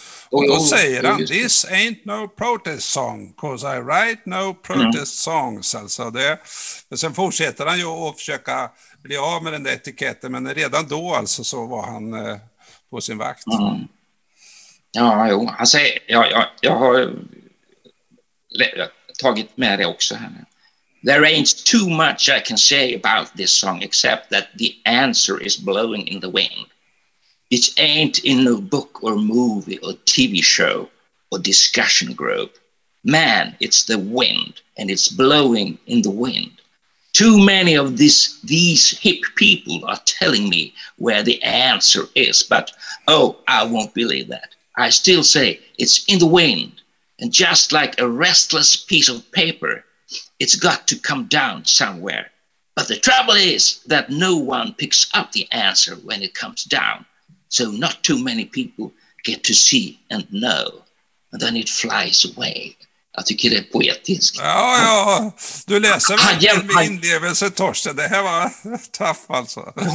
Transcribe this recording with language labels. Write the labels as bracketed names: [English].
[Swedish] och då säger han, [English] this ain't no protest song, cause I write no protest songs. [Swedish] Alltså det. Men sen fortsätter han ju att försöka bli av med den där etiketten, men redan då alltså så var han på sin vakt. Mm. Ja, jo. Alltså, jag har tagit med det också här nu. [English] There ain't too much I can say about this song except that the answer is blowing in the wind. It ain't in no book or movie or TV show or discussion group. Man, it's the wind and it's blowing in the wind. Too many of these hip people are telling me where the answer is, but oh, I won't believe that. I still say it's in the wind, and just like a restless piece of paper, it's got to come down somewhere. But the trouble is that no one picks up the answer when it comes down. So not too many people get to see and know. And then it flies away. [Swedish] Jag tycker det är poetiskt. Ja, ja. Du läser väl min inlevelse, Torsten. Det här var tough alltså.